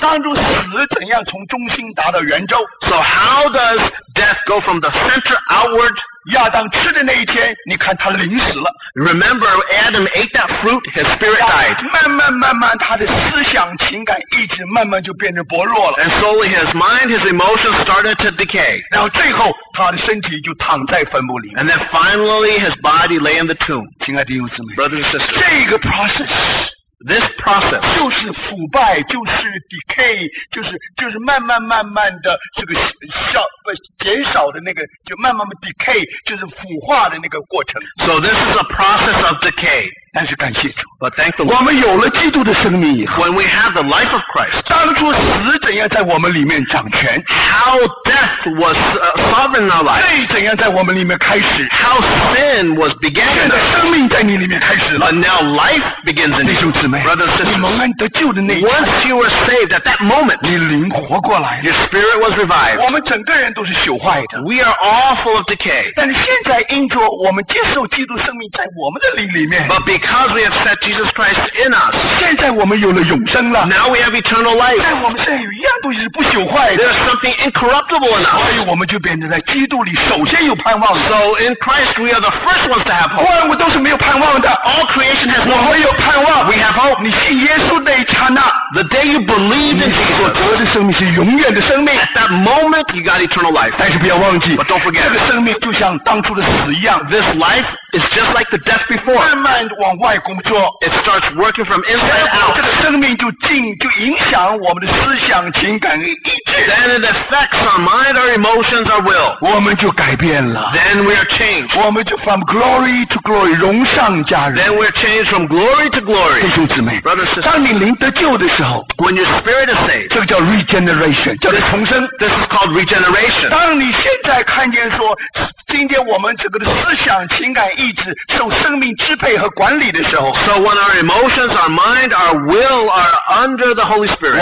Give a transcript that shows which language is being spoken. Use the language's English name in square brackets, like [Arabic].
[Chinese] 当中死怎样从中心达到圆周 [English] So how does death go from the center outward? [Chinese] 亚当吃的那一天，你看他临死了。 [English] Remember, Adam ate that fruit, his spirit died. [Chinese] 慢慢，他的思想情感一直慢慢就变得薄弱了。 [English] And slowly his mind, his emotions started to decay. [Chinese] 然后最后他的身体就躺在坟墓里。 [English] And then finally his body lay in the tomb. [Chinese] 亲爱的弟兄姊妹 [English] brothers and sisters, [Chinese] 这个 process. [English] This process [Chinese] 就是腐败，就是 decay， 就是慢慢的这个消不减少的那个，就慢 decay， 就是腐化的那个过程。 [English] So this is a process of decay。 [Chinese] 但是感谢主 [English] ，But thank the Lord。 [Chinese] 我们有了基督的生命以后 [English] ，When we have the life of Christ， [Chinese] 当初死怎样在我们里面掌权 [English] ？How death was sovereign in our life？ [Chinese] 罪怎样在我们里面开始 [English] ？How sin was began？ [Chinese] 现在生命在你里面开始了 [English] ，But now life begins in you。 [Chinese] 弟兄姊妹 [English] ，Brothers and sisters， [Chinese] 你蒙恩得救的那一 [English] ，Once you were saved at that moment， [Chinese] 你灵活过来 [English] ，Your spirit was revived。 [Chinese] 我们整个人都是朽坏的 [English] ，We are all full of decay。 [Chinese] 但是现在因着我们接受基督生命在我们的灵里面 [English] ，But Because we have set Jesus Christ in us. [Chinese] 现在我们有了永生了。 [English] Now we have eternal life. [Chinese] 但我们现在有一样东西是不朽坏的。 [English] There's something incorruptible in us. [Chinese] 所以我们就变成在基督里首先有盼望。 [English] So in Christ we are the first ones to have hope. [Chinese] 万物都是没有盼望的。 [English] All creation has hope. [Chinese] 我们有盼望。 [English] We have hope. [Chinese] 你信耶稣那一刹那。 [English] The day you believed in Jesus, [Chinese] 你所得的生命是永远的生命, [English] at that moment you got eternal life. [Chinese] 但是不要忘记, [English] but don't forget, [Chinese] 这个生命就像当初的死一样, [English] this life is just like the death before. [Chinese] 慢慢地往外工作, [English] it starts working from inside out. [Chinese] 这个生命就影响我们的思想、情感、意志, [English] then it affects our mind, our emotions, our will. [Chinese] 我们就改变了, [English] then we are changed. [Chinese] 我们就 [English] from glory to glory, [Chinese] 荣上加荣, [English] then we are changed from glory to glory. [Chinese] 弟兄姊妹, [English] brothers and sisters, [Chinese] 当你灵得救的时候, [English] when your spirit is saved, [Chinese] 这个叫 regeneration, 叫重生, [English] this is called regeneration. [Chinese] 当你现在看见说, 今天我们这个的思想、情感、意志受生命支配和管理的时候, [English] so when our emotions, our mind, our will are under the Holy Spirit,